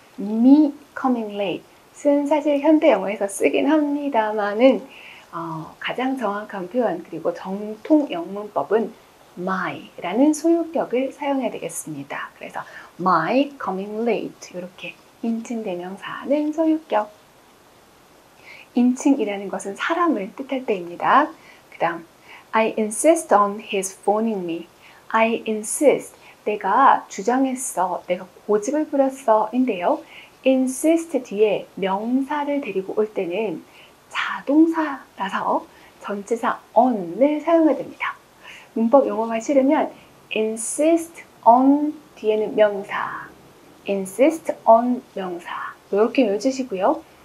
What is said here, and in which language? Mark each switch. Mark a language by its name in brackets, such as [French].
[English] me coming late [Korean] 쓴 사실 현대 영어에서 쓰긴 합니다만은 가장 정확한 표현 그리고 정통 영문법은 my 라는 소유격을 사용해야 되겠습니다. 그래서 my coming late 이렇게 인칭 대명사는 소유격 인칭이라는 것은 사람을 뜻할 때입니다. 그 다음 [English] I insist on his phoning me. I insist [Korean] 내가 주장했어 내가 고집을 부렸어 인데요 insist 뒤에 명사를 데리고 올 때는 자동사라서 전치사 on을 사용해야 됩니다. 문법 용어가 싫으면 insist on 뒤에는 명사 insist on 명사 이렇게 외워주시고요.